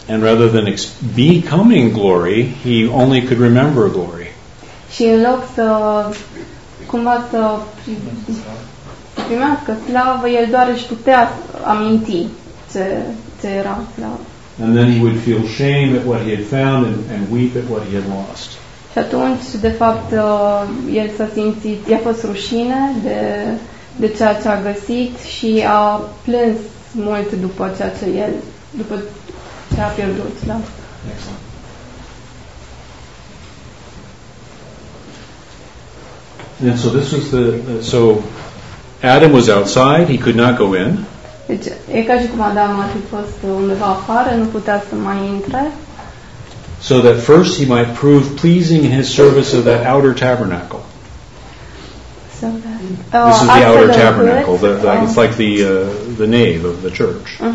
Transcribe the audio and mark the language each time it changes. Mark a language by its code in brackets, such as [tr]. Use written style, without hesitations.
[en] And rather than becoming glory, he only could remember glory. [ro] Și în loc să cumva să primească slavă, el doar își putea aminti ce era slavă. [en] And then he would feel shame at what he had found and weep at what he had lost. [ro] Și atunci, de fapt, el s-a simțit, i-a fost rușine de ceea ce a găsit și a plâns mult după ce a pierdut. Da? [en] And so this was the so Adam was outside, he could not go in. [ro] Deci, e ca și cum Adam ar fi fost undeva afară, nu putea să mai intre. [en] So that first he might prove pleasing in his service of that outer tabernacle. This is the outer tabernacle. That it's like the nave of the church.